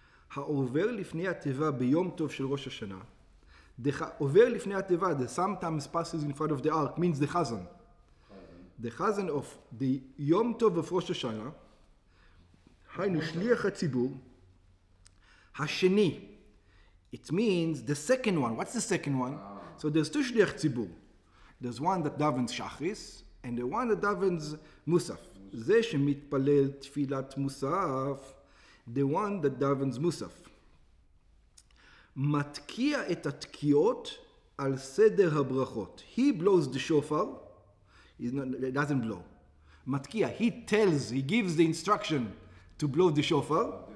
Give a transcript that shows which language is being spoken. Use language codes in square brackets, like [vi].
[he] העובר לפני התיבה ביום טוב של ראש השנה, עובר לפני התיבה, [en] the sometimes passes in front of the ark, means the chazan. The chazan of the יום טוב of ראש השנה, [he] היינו שליח הציבור, השני, [en] it means the second one. What's the second one? So there's two שליח ציבור. There's one that davens shachris, and the one that davens musaf. [he] זה שמתפלל תפילת מוסף, [en] the one that davens מוסף. [he] מתקיע את התקיעות על סדר הברכות. [en] He blows the shofar, he doesn't blow. מתקיע, he tells, he gives the instruction to blow the shofar.